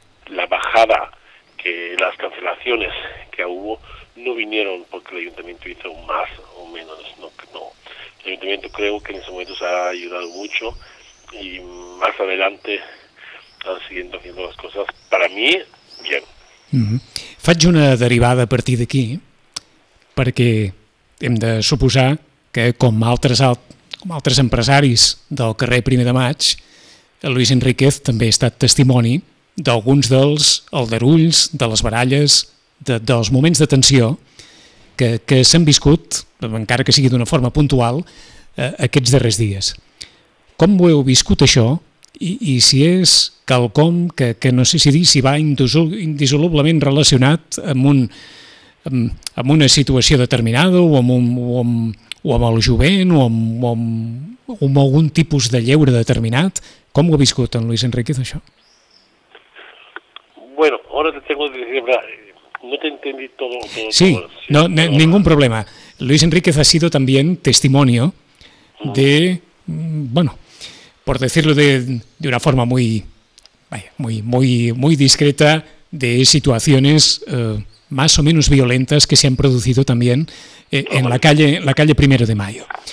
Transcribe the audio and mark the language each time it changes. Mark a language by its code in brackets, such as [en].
[es] La bajada, que las cancelaciones que hubo, no vinieron porque el ayuntamiento hizo más o menos. No. El ayuntamiento creo que en ese momento se ha ayudado mucho y más adelante están siguiendo haciendo las cosas. Para mí, bien. [ca] Faig una derivada a partir d'aquí, perquè hem de suposar que, com altres empresaris del carrer Primer de Maig, el Luis Enríquez també ha estat testimoni d'alguns dels aldarulls, de les baralles, dels moments de tensió que s'han viscut, encara que sigui d'una forma puntual, aquests darrers dies. Com ho heu viscut això? I si és quelcom que no sé si dir si va indissolublement relacionat amb una situació determinada o amb el jovent o amb algun tipus de lleure determinat, com ho ha viscut en Luis Enríquez això? [es] Bueno, ahora te tengo que decir, no te entendí todo. Sí, no, ningún problema. Luis Enríquez ha sido también testimonio de, bueno, por decirlo de una forma muy, vaya, muy, muy, muy discreta, de situaciones más o menos violentas que se han producido también en la calle Primero de Mayo.